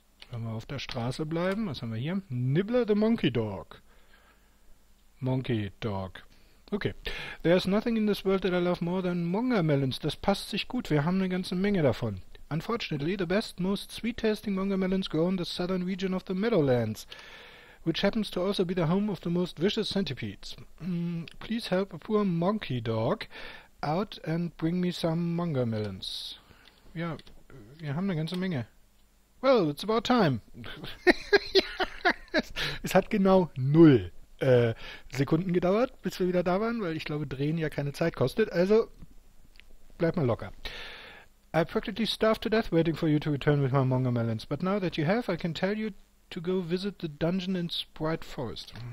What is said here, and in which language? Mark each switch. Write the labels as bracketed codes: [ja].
[de] Wenn wir auf der Straße bleiben, was haben wir hier? [en] Nibbler the Monkey Dog. Monkey Dog. Okay. There's nothing in this world that I love more than Monga Melons. [de] Das passt sich gut. [en] Wir haben eine ganze Menge davon. Unfortunately, the best, most sweet-tasting Monga Melons grow in the southern region of the Meadowlands, which happens to also be the home of the most vicious centipedes. Please help a poor monkey dog out and bring me some Monga Melons. [de] Ja, wir haben eine ganze Menge. [en] Well, it's about time. [de] Es hat genau null Sekunden gedauert, bis wir wieder da waren, weil ich glaube, drehen ja keine Zeit kostet. Also, bleib mal locker. [en] I practically starved to death waiting for you to return with my Monga Melons. But now that you have, I can tell you to go visit the dungeon in Sprite Forest.